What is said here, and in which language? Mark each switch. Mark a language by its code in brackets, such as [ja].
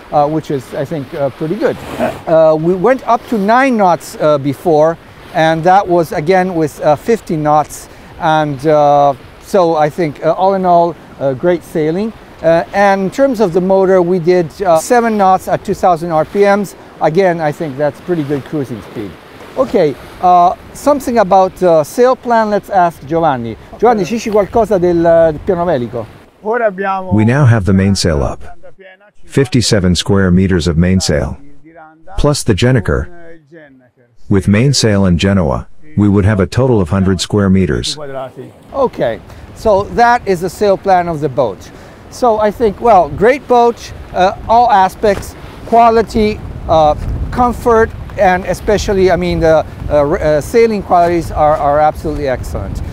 [en] Which is, I think, pretty good. We went up to 9 knots before, and that was again with 50 knots. And so I think, all in all, great sailing. And in terms of the motor, we did 7 knots at 2,000 RPMs. Again, I think that's pretty good cruising speed. Okay, something about sail plan, let's ask Giovanni. [it] Giovanni, ci qualcosa del piano velico? [en] We now have the mainsail up. 57 square meters of mainsail, plus the Jennaker. With mainsail and Genoa, we would have a total of 100 square meters. Okay, so that is the sail plan of the boat. So I think, well, great boat, all aspects, quality, comfort, and especially, I mean, the sailing qualities are absolutely excellent.